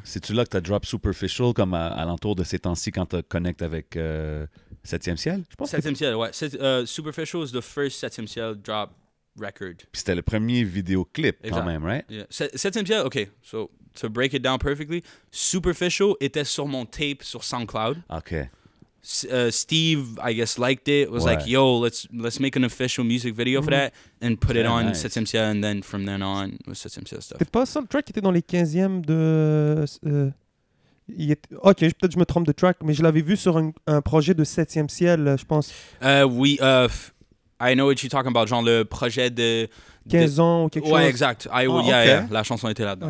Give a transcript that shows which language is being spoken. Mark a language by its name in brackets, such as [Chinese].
[French] C'est-tu là que t'as drop Superficial, comme à l'entour de ces temps-ci, quand t'as connecté avec 7e Ciel? [English] 7e Ciel, ouais. Superficial is the first 7e Ciel drop record. [French] Puis c'était le premier vidéoclip, quand même, right? [English] Yeah. 7e Ciel, OK. So, to break it down perfectly, Superficial [French] était sur mon tape sur SoundCloud. [English] OK. Steve, I guess, liked it. Like, yo, let's make an official music video for that and put it on 7eme Ciel, and then from then on with 7eme Ciel stuff. [French] C'était pas ça le track qui était dans les 15e de... OK, peut-être je me trompe de track, mais je l'avais vu sur un projet de 7eme Ciel, je pense. [English] Oui, I know what you're talking about, [French] genre le projet de... 15 ans ou quelque chose. Ouais, exact. Yeah, la chanson était là-dedans.